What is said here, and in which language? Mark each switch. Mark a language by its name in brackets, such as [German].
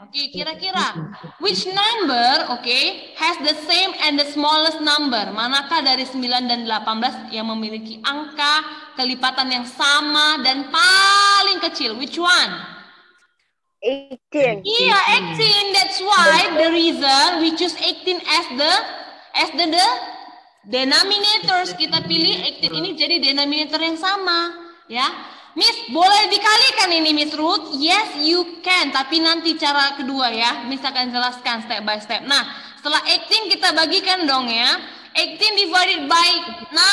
[English] Oke, okay, [Indonesian] kira-kira [English] which number, oke, okay, has the same and the smallest number? [Indonesian] Manakah dari 9 dan 18 yang memiliki angka kelipatan yang sama dan paling kecil? [English] Which one? 18. [Indonesian] Iya, 18. [English] That's why the reason we choose 18 as the denominators. [Indonesian] Kita pilih 18 ini jadi denominator yang sama, ya. Miss, boleh dikalikan ini, Miss Ruth? [English] Yes, you can. [Indonesian] Tapi nanti cara kedua ya. Miss akan jelaskan [English] step by step. [Indonesian] Nah, setelah 18 kita bagikan dong ya. [English] 18 divided by 9.